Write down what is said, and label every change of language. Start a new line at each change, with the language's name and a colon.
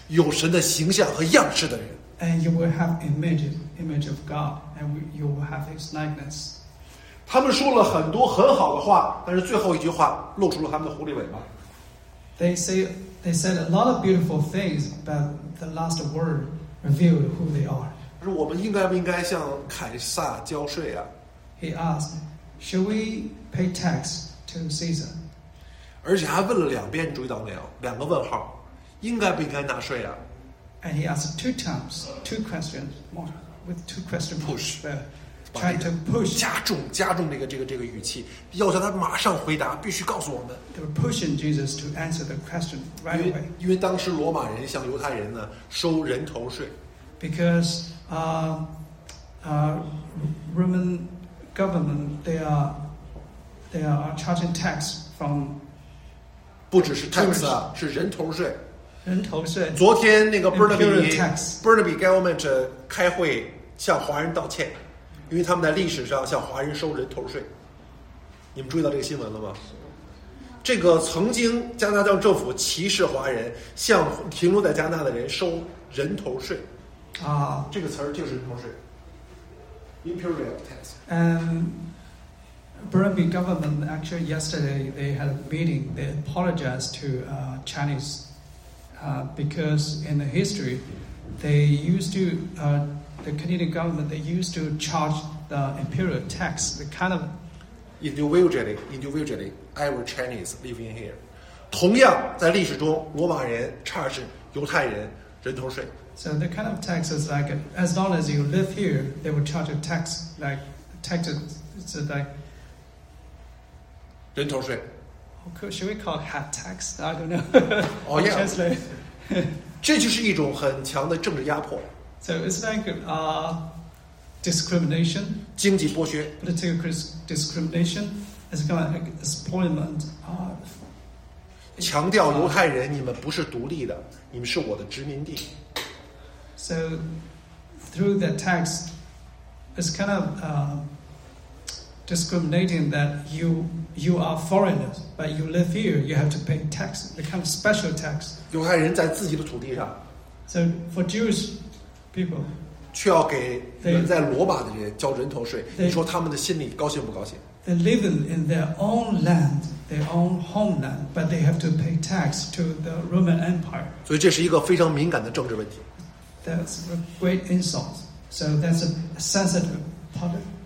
Chinese: 有神的形象和样式的人。
English: And you will have image of God, and you will have His likeness.
Chinese: 他们说了很多很好的话，但是最后一句话露出了他们的狐狸尾巴。
English: They said a lot of beautiful things, but the last word revealed who they are.
Chinese: 他说我们应该不应该向凯撒交税啊？
English: He asked, "Should we pay tax to Caesar?"
Chinese: 而且还问了两遍，注意到没有？两个问号，应该不应该纳税啊？
English: And he asked two times, two questions, with two questions. Push, trying to push.
Chinese: 加重这个语气，要叫他马上回答，必须告诉我们。
English: They were pushing Jesus to answer the question right away.
Chinese: 因为当时罗马人向犹太人呢收人头税。
English: Because Roman government they are charging tax from.
Chinese: 不只是 tax 啊，是人头税。人头税。昨天那个 Burnaby Government 开会向华人道歉，因为他们在历史上向华人收人头税。你们注意到这个新闻了吗？这个曾经加拿大政府歧视华人，向停留在加拿大的人收人头税。啊，这个词儿就是人头税 ，
English: imperial tax。 Burnaby Government actually yesterday they had a meeting. They apologized to Chinese. Because in the history, they used to, the Canadian government, they used to charge the imperial tax, the kind of... Individually, I was Chinese living here.
Chinese: 同样在历史中，罗马人 charge 犹太人人头税。
English: So the kind of tax is like, as long as you live here, they will charge a tax, like, taxes, like...
Chinese: 人头税。
English: Should we call hat tax? I don't know. Oh yeah. Translate.
Chinese: 这就是一种很强的政治压迫。
English: So it's like discrimination.
Chinese: 经济剥削。
English: Political discrimination is kind of like exploitment.
Chinese: 强调犹太人，你们不是独立的，你们是我的殖民地。
English: So through that tax, it's kind of discriminating that you are foreigners, but you live here, you have to pay tax, the kind of special tax.
Chinese: 犹太人在自己的土地上。
English: So for Jewish people,
Chinese: 却要给人在罗马的人交人头税，你说他们的心里高兴不高兴？
English: They live in their own land, their own homeland, but they have to pay tax to the Roman Empire.
Chinese: 所以这是一个非常敏感的政治问题。
English: That's a great insult. So that's a sensitive topic.